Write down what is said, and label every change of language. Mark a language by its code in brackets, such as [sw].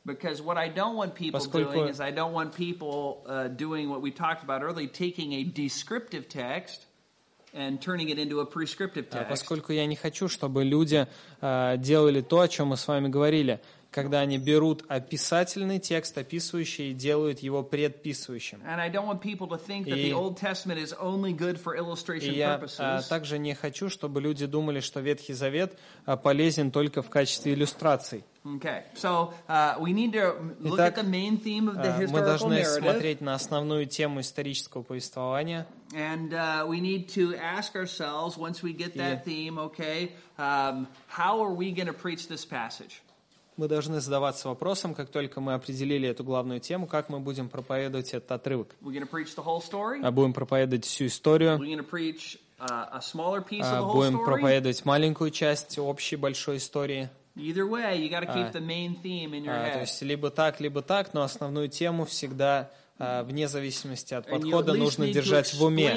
[en] Because what I don't want people doing is I don't want people doing what we talked about earlier, taking a descriptive text. And turning it into a prescriptive text. [ru] Поскольку я не хочу, чтобы люди делали то, о чем мы с вами говорили, когда они берут описательный текст, описывающий, и делают его предписывающим. [en] And I don't want people to think that the Old Testament is only good for illustration purposes. [ru] Я также не хочу, чтобы люди думали, что Ветхий Завет полезен только в качестве иллюстраций. [en] Okay, so we need to look [ru] Итак, [en] at the main theme of the historical narrative. [ru] Мы должны смотреть на основную тему исторического повествования. [en] And we need to ask ourselves once we get that theme, okay, how are we going to preach this passage? [ru] Мы должны задаваться вопросом, как только мы определили эту главную тему, как мы будем проповедовать этот отрывок. [en] We're going to preach the whole story. [ru] Будем проповедовать всю историю. [en] We're going to preach a smaller piece of the whole story. [ru] Будем проповедовать маленькую часть общей большой истории. [en] Either way, you got to keep the main theme in your head. [ru] То есть либо так, но основную тему всегда вне зависимости от подхода нужно держать в уме.